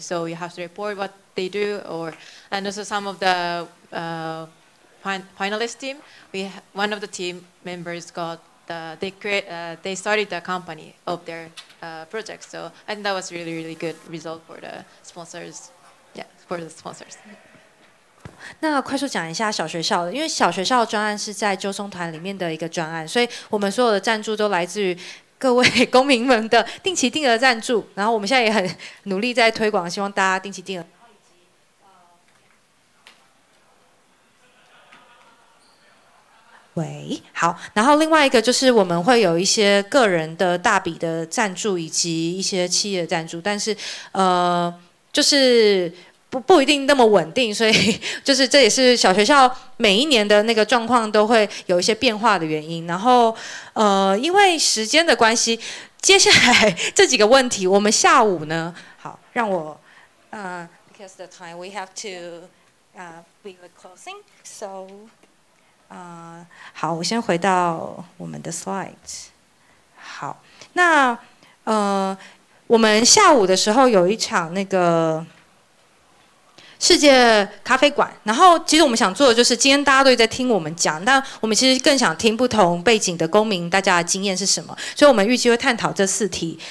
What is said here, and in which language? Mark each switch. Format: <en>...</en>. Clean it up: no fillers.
<en>So you have to report what they do, or, and also some of the finalist team, we one of the team members got they started the company of their project. So I think that was really, really good result for the sponsors. Yeah, for the sponsors.</en> <zh>那快速讲一下小学校的，因为小学校专案是在救松团里面的一个专案，所以我们所有的赞助都来自于各位公民们的定期定额赞助。然后我们现在也很努力在推广，希望大家定期定额。喂，好。然后另外一个就是我们会有一些个人的大笔的赞助，以及一些企业赞助，但是就是不一定那么稳定，所以就是这也是小学校每一年的那个状况都会有一些变化的原因。然后因为时间的关系，接下来这几个问题，我们下午呢，好，让我</zh> <en>because the time we have to be the closing, so.</en> <zh>好，我先回到我们的 slides。好，那我们下午的时候有一场那个世界咖啡馆，然后其实我们想做的就是今天大家都在听我们讲，但我们其实更想听不同背景的公民大家的经验是什么，所以我们预计会探讨这四题。</zh>